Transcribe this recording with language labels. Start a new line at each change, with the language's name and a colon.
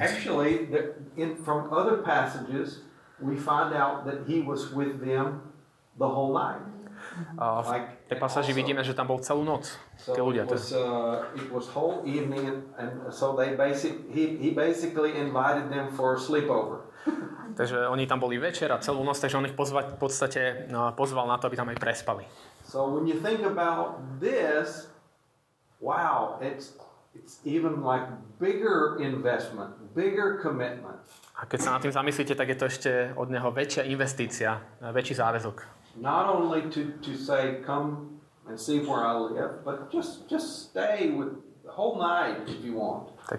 English: Actually, from other passages, we find out that he was with them the whole night.
Slovak: V tej pasáži vidíme, že tam bol celú noc. Tí ľudia.
English: It was whole evening, and so he basically invited them for a sleepover.
Slovak: Takže oni tam boli večer a celú noc, takže on ich pozval na to, aby tam aj prespali.
English: So when you think about this, wow, it's even like bigger investment, bigger commitment.
Slovak: A keď sa na tým zamyslíte, tak je to ešte od neho väčšia investícia, väčší záväzok.
English: Not only to say come and see where I live, but just stay with the whole night if you want.